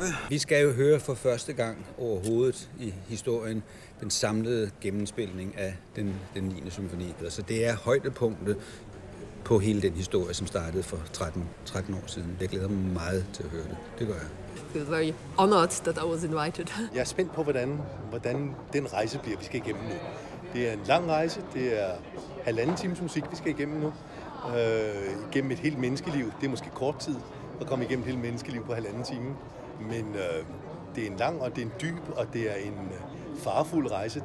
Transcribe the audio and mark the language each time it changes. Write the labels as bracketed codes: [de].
[da] Vi skal jo høre for første gang overhovedet i historien den samlede gennemspilning af den 9. symfoni. Så det er højdepunktet på hele den historie, som startede for 13 år siden. Jeg glæder mig meget til at høre det. Det gør jeg. [en] Feel very honored that I was invited. [da] Jeg er spændt på, hvordan den rejse bliver, vi skal igennem nu. Det er en lang rejse. Det er halvanden times musik, vi skal igennem nu. Igennem et helt menneskeliv. Det er måske kort tid at komme igennem hele menneskeliv på halvanden time. Men det er en lang, og det er en dyb, og det er en farefuld rejse.